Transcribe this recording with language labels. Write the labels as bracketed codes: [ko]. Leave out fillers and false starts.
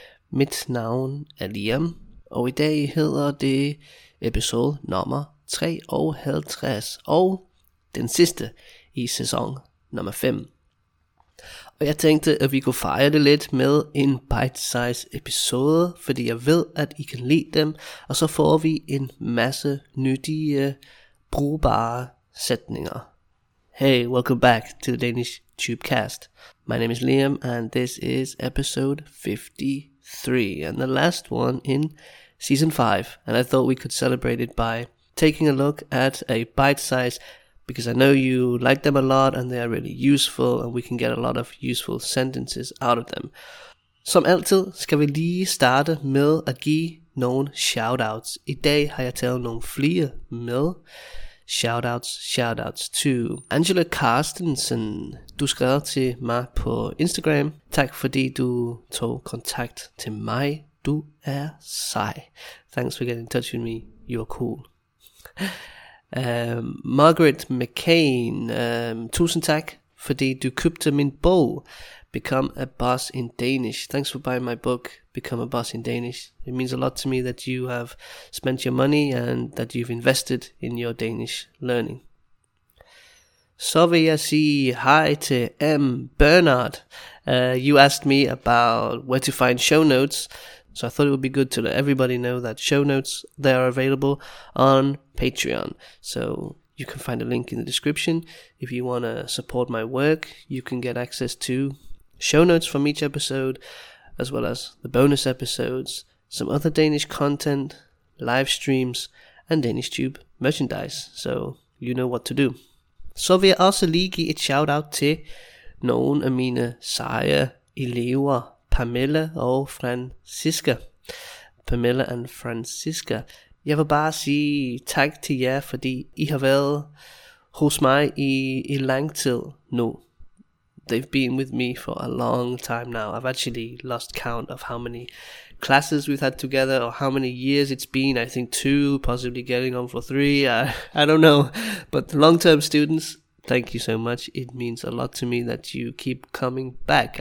[da] Mit navn er Liam, og i dag hedder det episode nummer 53, og den sidste i sæson nummer 5. Og jeg tænkte, at vi kunne fejre det lidt med en bite-size episode, fordi jeg ved, at I kan lide dem, og så får vi en masse nyttige, brugbare sætninger. [en] Hey, welcome back to the Danish Tube Cast. My name is Liam, and this is episode 53, and the last one in season 5. And I thought we could celebrate it by taking a look at a bite-size, because I know you like them a lot, and they are really useful, and we can get a lot of useful sentences out of them. [da] Som altid skal vi lige starte med at give nogle shoutouts. I dag har jeg taget nogle flere med. [en] Shoutouts to Angela Carstensen. [da] Du skrev til mig på Instagram. Tak fordi du tog kontakt til mig. Du er sej. [en] Thanks for getting in touch with me. You're cool. Margaret McCain. [da] Tusind tak fordi du købte min bog. [en] Become a Boss in Danish. Thanks for buying my book, Become a Boss in Danish. It means a lot to me that you have spent your money and that you've invested in your Danish learning. [da] Så vil jeg sige hi to M. Bernard. [en] You asked me about where to find show notes, so I thought it would be good to let everybody know that show notes, they are available on Patreon. So you can find a link in the description. If you want to support my work, you can get access to show notes from each episode, as well as the bonus episodes, some other Danish content, live streams, and Danish Tube merchandise. So you know what to do. [da] Så vil jeg også lige give et shout out til nogle af mine seje elever, Pamela og Francisca. [en] Pamela and Francisca. [da] Jeg vil bare sige tak til jer, fordi I har været hos mig i lang tid nu. [en] They've been with me for a long time now. I've actually lost count of how many classes we've had together or how many years it's been. I think 2, possibly getting on for 3. I don't know. But long-term students, thank you so much. It means a lot to me that you keep coming back.